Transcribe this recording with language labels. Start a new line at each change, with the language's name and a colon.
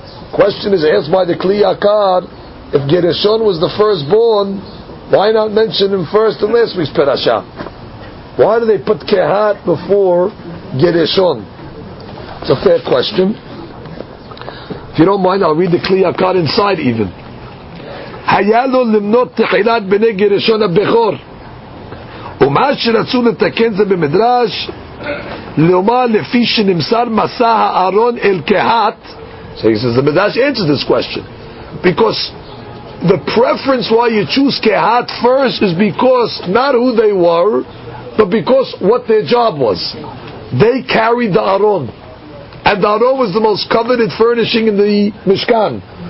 English: Question is asked by the Kli Yakar, if Gereshon was the firstborn, why not mention him first in last week's parasha? Why do they put Kehat before Gereshon? It's a fair question. If you don't mind, I'll read the Kli Yakar inside even.
Hebrew: Hayalo limnot techilat b'nei Gereshon ha-Bechor. ומה שרצו לתקן זה במדרש לומר לפי שנמסר מסע הארון אל כהת.
English: So he says the Midrash answers this question, because the preference why you choose Kehat first is because not who they were, but because what their job was. They carried the Aron, and the Aron was the most coveted furnishing in the Mishkan.